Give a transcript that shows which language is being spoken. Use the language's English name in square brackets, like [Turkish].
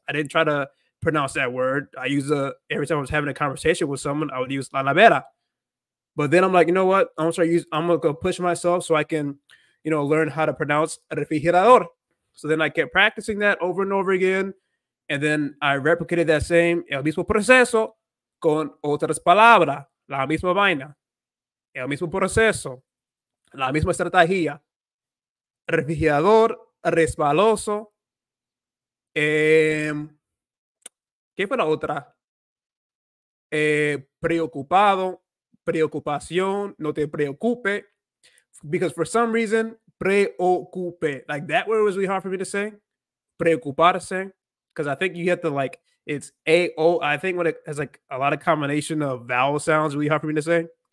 [English] I didn't try to pronounce that word. I used every time I was having a conversation with someone, I would use la nevera. But then I'm like, you know what? I'm gonna go push myself so I can, learn how to pronounce refrigerador. So then I kept practicing that over and over again, and then I replicated that same [Spanish] el mismo proceso. Con otras palabras, la misma vaina, el mismo proceso, la misma estrategia, refrigerador, resbaloso, ¿qué fue la otra? [English] Preocupado, preocupación, [Spanish] no te preocupe, [English] because for some reason, preocupe, like that word was really hard for me to say, preocuparse, because I think you have to like, it's A-O. I think when it has like a lot of combination of vowel sounds, really hard for me to say.